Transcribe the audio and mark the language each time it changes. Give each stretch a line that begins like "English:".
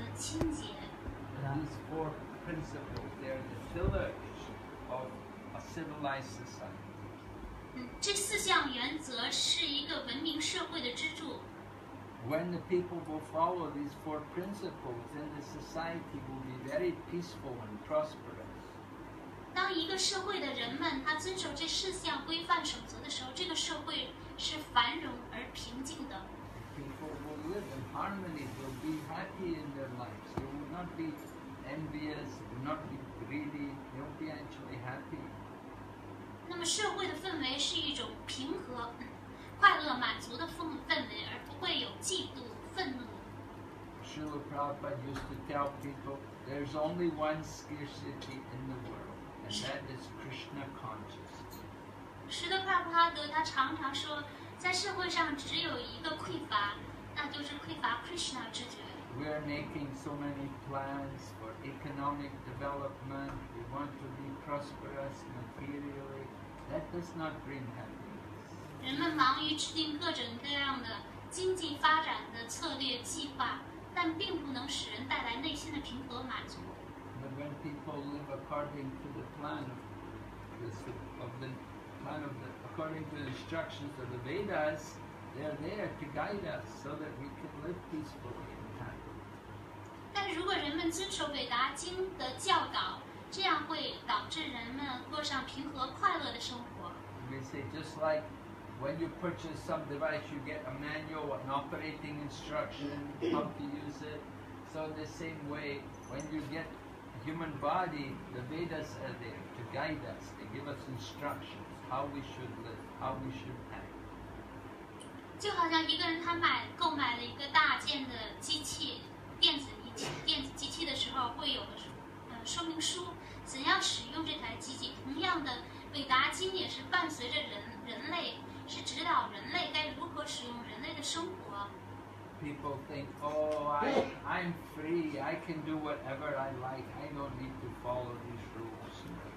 English: These four principles, they are the pillars of a civilized society.
Chinese: 这四项原则是一个文明社会的支柱。
English: When the people will follow these four principles, then the society will be very peaceful and prosperous.
Chinese: 当一个社会的人们他遵守这四项规范守则的时候，这个社会是繁荣而平静的。
English: People will live in harmony, will be happy in their lives. They will not be envious, will not be greedy, they will be actually happy.
Chinese: 那么社会的氛围是一种平和、快乐、满足的氛围，而不会有嫉妒、愤怒。
English: Srila Prabhupada used to tell people, there's only one scarcity in the world, and that is Krishna consciousness.
Chinese: 史德帕布哈德他常常说，在社会上只有一个匮乏，那就是匮乏 Krishna 知觉。
English: We are making so many plans for economic development. We want to be prosperous materially. That does not bring happiness.
Chinese: 人们忙于制定各种各样的经济发展的策略计划，但并不能使人带来内心的平和满足。
English: But when people live according to the plan of according to the instructions of the Vedas, they are there to guide us so that we can live peacefully.
Chinese: 但如果人们遵守韦达经的教导，这样会导致人们过上平和快乐的生活。
English: You may say, just like when you purchase some device, you get a manual, an operating instruction, how to use it. So the same way, when you get a human body, the Vedas are there to guide us. They give us instructions, how we should live, how we should act.
Chinese: 就好像一个人他购买了一个大件的机器，电子机器的时候会有的说明书怎样使用这台机器，同样的韦达经也是伴随着人类是指导人类该如何使用人类的生活。
English: People think, I'm free, I can do whatever I like, I don't need to follow these rules.